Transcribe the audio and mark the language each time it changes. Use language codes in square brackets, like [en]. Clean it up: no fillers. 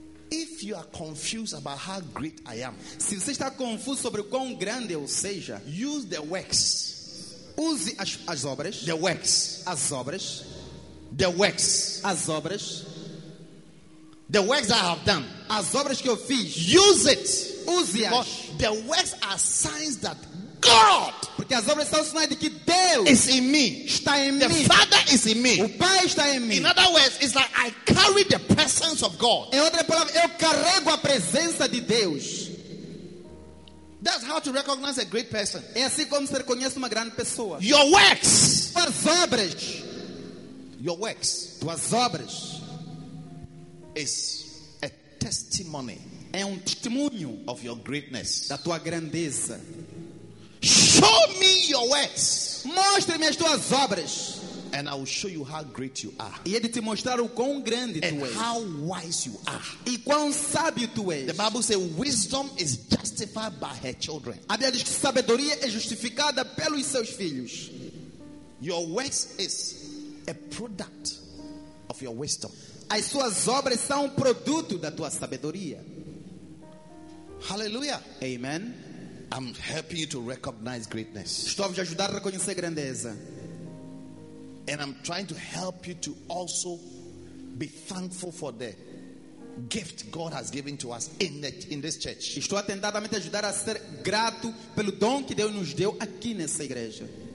[en] If you are confused about how great I am. [pt] Se você está confuso sobre o quão grande eu seja. [en] Use the works. [pt] Use as obras. [en] The works. [pt] As obras. [en] The works. [pt] As obras. [en] The works I have done. [pt] As obras que eu fiz. [en] Use it. [pt] Use-as. [en] The works are signs that God. [pt] Porque as obras são sinais de que Deus [en] is in me. [pt] Está em the mim. [en] The Father is in me. [pt] O Pai está em mim. [en] In other words, it's like I carry the presence of God. [pt] Em outra palavra, eu carrego a presença de Deus. [en] That's how to recognize a great person. [pt] É assim como se reconhece uma grande pessoa. [en] Your works. [pt] Tuas obras. [en] Your works. [pt] Tuas obras. [en] Is a testimony. [pt] É testemunho. [en] Of your greatness. [pt] Da tua grandeza. [en] Show me your works. [pt] Mostre-me as tuas obras. [en] And I will show you how great you are. [pt] E de te mostrar o quão grande and tu és. [en] And how wise you are. [pt] E quão sábio tu és. [en] The Bible says wisdom is justified by her children. [pt] A Bíblia diz que sabedoria é justificada pelos seus filhos. [en] Your works is a product of your wisdom. [pt] As suas obras são produto da tua sabedoria. [en] Hallelujah. [pt] Amen. [en] I'm helping you to recognize greatness. [pt] Estou a te ajudar a reconhecer grandeza. [en] And I'm trying to help you to also be thankful for the gift God has given to us in this church. [pt] Estou tentando te ajudar a ser grato pelo dom que Deus nos deu aqui nessa igreja.